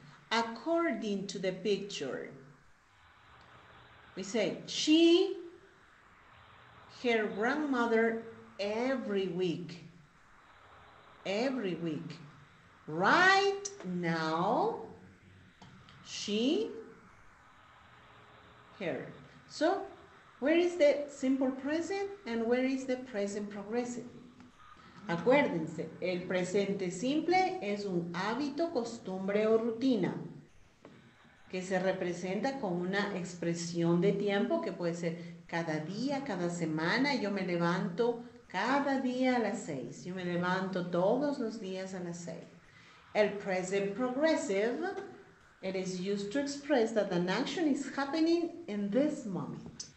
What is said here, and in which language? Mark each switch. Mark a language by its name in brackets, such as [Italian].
[English] According to the picture, we say she, her grandmother every week. Every week. Right now, she, her. So, where is the simple present and where is the present progressive? [Spanish] Acuérdense, el presente simple es un hábito, costumbre o rutina que se representa con una expresión de tiempo que puede ser cada día, cada semana. Yo me levanto cada día a las 6. Yo me levanto todos los días a las 6. [English] El present progressive, it is used to express that an action is happening in this moment.